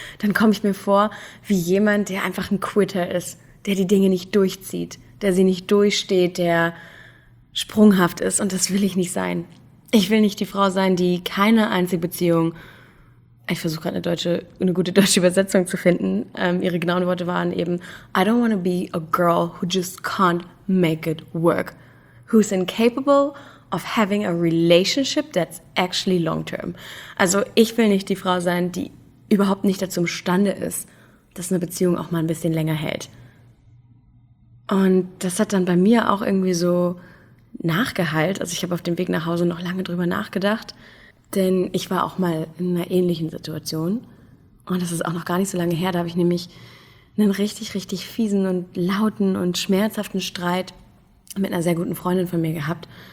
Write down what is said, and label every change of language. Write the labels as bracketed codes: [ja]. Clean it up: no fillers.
[de] Dann komme ich mir vor wie jemand, der einfach ein Quitter ist, der die Dinge nicht durchzieht, der sie nicht durchsteht, der sprunghaft ist. Und das will ich nicht sein. Ich will nicht die Frau sein, die keine einzige Beziehung, ich versuche gerade eine gute deutsche Übersetzung zu finden. [en] Ihre genauen Worte waren eben, I don't want to be a girl who just can't make it work. Who's incapable of having a relationship that's actually long term. [de] Also ich will nicht die Frau sein, die überhaupt nicht dazu imstande ist, dass eine Beziehung auch mal ein bisschen länger hält. Und das hat dann bei mir auch irgendwie so nachgehallt. Also ich habe auf dem Weg nach Hause noch lange drüber nachgedacht. Denn ich war auch mal in einer ähnlichen Situation und das ist auch noch gar nicht so lange her. Da habe ich nämlich einen richtig, richtig fiesen und lauten und schmerzhaften Streit mit einer sehr guten Freundin von mir gehabt.